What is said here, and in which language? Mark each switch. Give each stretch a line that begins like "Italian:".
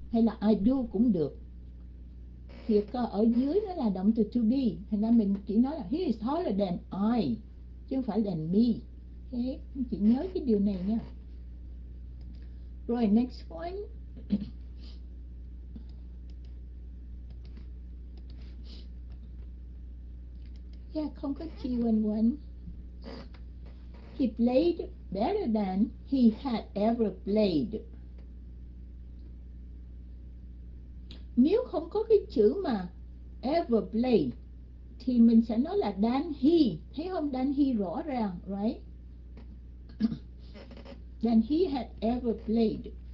Vietnamese: Hay là I do cũng được. Thì ở dưới nó là động từ to be, thì nên mình chỉ nói là
English: he is taller than I,
Vietnamese: chứ không phải
English: than me.
Vietnamese: Okay. Chị nhớ cái điều này nha. Rồi
English: next one.
Vietnamese: Yeah, không có chi when one.
English: He played better than he had ever played.
Vietnamese: Nếu không có cái chữ mà
English: ever played
Vietnamese: thì mình sẽ nói là
English: than he.
Vietnamese: Thấy không?
English: Than he
Vietnamese: rõ ràng,
English: right? Than he had ever played.